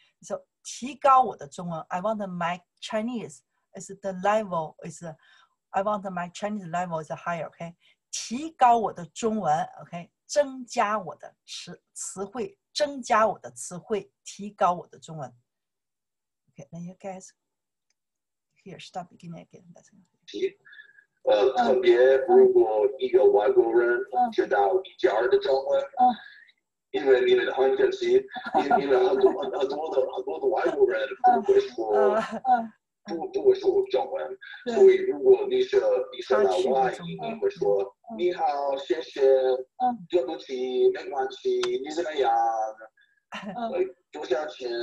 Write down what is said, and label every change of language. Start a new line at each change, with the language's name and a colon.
English: So
Chinese: 提高我的中文
English: ，I want my Chinese is the level is， I want my Chinese level is higher， OK， 提高我的中文 ，OK，
Chinese: 增加我的词汇。增加我的词汇，提高我的中文。
English: Okay, now you guys, here, stop beginning again. That's it.
Chinese: 特别如果一个外国人知道一家的中文，因为你们很客气，因为很多的外国人不会说中文，所以如果你是老外，你会说你好，谢谢，对不起，没关系，你怎么样？多少钱？